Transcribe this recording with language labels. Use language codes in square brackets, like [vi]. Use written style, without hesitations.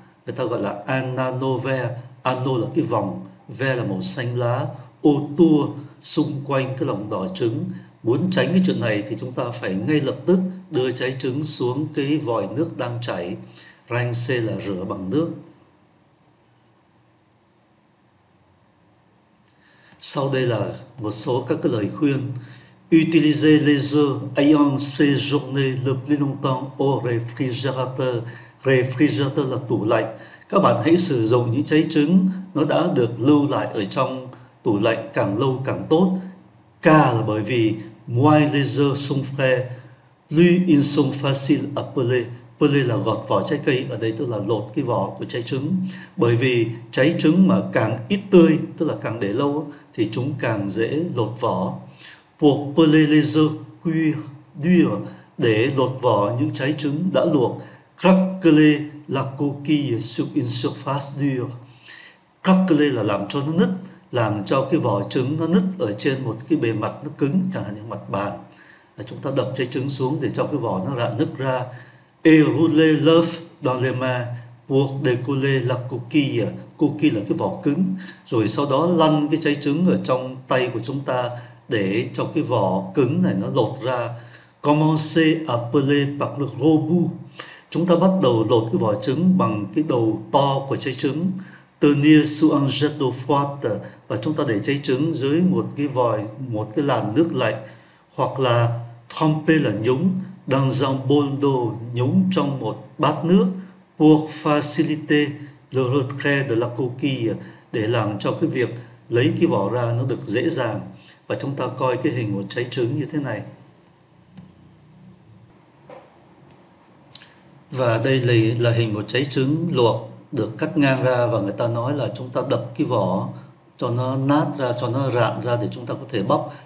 [vi] Người ta gọi là ananove, ano là cái vòng, ve là màu xanh lá, ô tua xung quanh cái lòng đỏ trứng. Muốn tránh cái chuyện này thì chúng ta phải ngay lập tức đưa trái trứng xuống cái vòi nước đang chảy. Rinse là rửa bằng nước. Sau đây là một số các cái lời khuyên. [fr] Utilisez les œufs ayant séjourné le plus longtemps au réfrigérateur. [vi] Réfrigérateur là tủ lạnh. Các bạn hãy sử dụng những trái trứng nó đã được lưu lại ở trong tủ lạnh càng lâu càng tốt. Ca là bởi vì [fr] moins les œufs sont frais, plus ils sont faciles à peler. [vi] Peler là gọt vỏ trái cây, ở đây tức là lột cái vỏ của trái trứng. Bởi vì trái trứng mà càng ít tươi, tức là càng để lâu, thì chúng càng dễ lột vỏ. [fr] Pour peler les œufs cuits durs, [vi] để lột vỏ những trái trứng đã luộc. [fr] Craqueler la coquille sur une surface dure. [vi] Craqueler là làm cho nó nứt, làm cho cái vỏ trứng nó nứt ở trên một cái bề mặt nó cứng, chẳng hạn như mặt bàn. Chúng ta đập trái trứng xuống để cho cái vỏ nó rạn nứt ra. [fr] Et rouler l'œuf dans les mains pour décoller la coquille. [vi] Coquille là cái vỏ cứng. Rồi sau đó lăn cái trái trứng ở trong tay của chúng ta để cho cái vỏ cứng này nó lột ra. [fr] Commencez à peler par le gros bout. [vi] Chúng ta bắt đầu lột cái vỏ trứng bằng cái đầu to của trái trứng. [fr] Tenir sous un jet d'eau froide. [vi] Và chúng ta để trái trứng dưới một cái vòi, một cái làn nước lạnh. Hoặc là tremper là nhúng. [fr] Dans un bol d'eau, [vi] nhúng trong một bát nước. [fr] Pour faciliter le retrait de la coquille. [vi] Để làm cho cái việc lấy cái vỏ ra nó được dễ dàng. Và chúng ta coi cái hình của trái trứng như thế này. Và đây là hình một trái trứng luộc được cắt ngang ra và người ta nói là chúng ta đập cái vỏ cho nó nát ra, cho nó rạn ra để chúng ta có thể bóc.